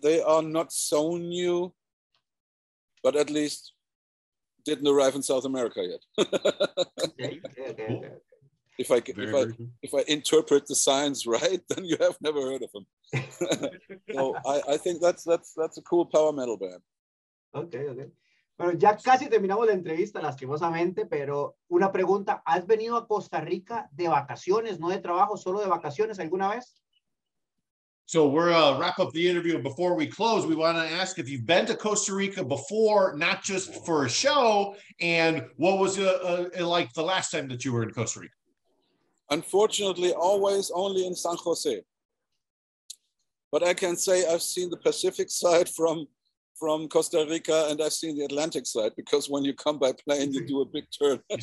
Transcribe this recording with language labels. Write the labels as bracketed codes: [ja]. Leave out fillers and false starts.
[en] They are not so new, but at least didn't arrive in South America yet. Okay. Cool. If I interpret the signs right, then you have never heard of them. So I think that's a cool power metal band. Okay, okay. [es] Bueno, ya casi terminamos la entrevista, lastimosamente, pero una pregunta. ¿Has venido a Costa Rica de vacaciones, no de trabajo, solo de vacaciones alguna vez? [en] So we're wrap up the interview. Before we close, we want to ask if you've been to Costa Rica before, not just for a show, and what was like the last time that you were in Costa Rica? Unfortunately, always only in San Jose. But I can say I've seen the Pacific side from Costa Rica, and I've seen the Atlantic side, because when you come by plane, you do a big turn.